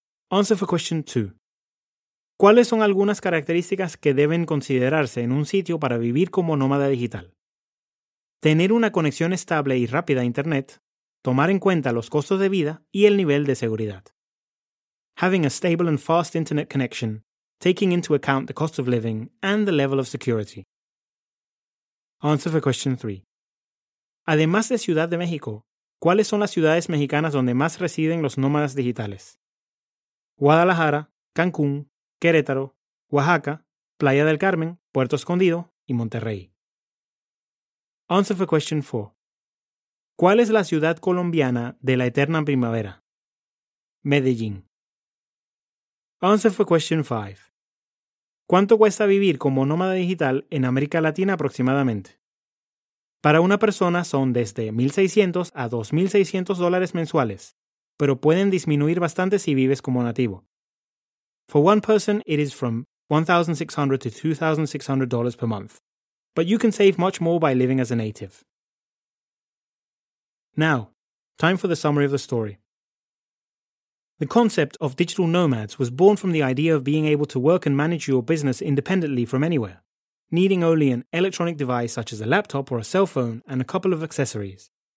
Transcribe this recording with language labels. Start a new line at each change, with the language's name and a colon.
English: Answer for question 2.
Spanish: ¿Cuáles son algunas características que deben considerarse en un sitio para vivir como nómada digital? Tener una conexión estable y rápida a Internet, tomar en cuenta los costos de vida y el nivel de seguridad.
English: Having a stable and fast Internet connection, taking into account the cost of living and the level of security. Answer for question 3.
Spanish: Además de Ciudad de México, ¿cuáles son las ciudades mexicanas donde más residen los nómadas digitales? Guadalajara, Cancún, Querétaro, Oaxaca, Playa del Carmen, Puerto Escondido y Monterrey.
English: Answer for question 4.
Spanish: ¿Cuál es la ciudad colombiana de la eterna primavera? Medellín.
English: Answer for question 5.
Spanish: ¿Cuánto cuesta vivir como nómada digital en América Latina aproximadamente? Para una persona son desde $1,600 a $2,600 mensuales, pero pueden disminuir bastante si vives como nativo.
English: For one person, it is from $1,600 to $2,600 per month, but you can save much more by living as a native. Now, time for the summary of the story. The concept of digital nomads was born from the idea of being able to work and manage your business independently from anywhere, needing only an electronic device such as a laptop or a cell phone and a couple of accessories.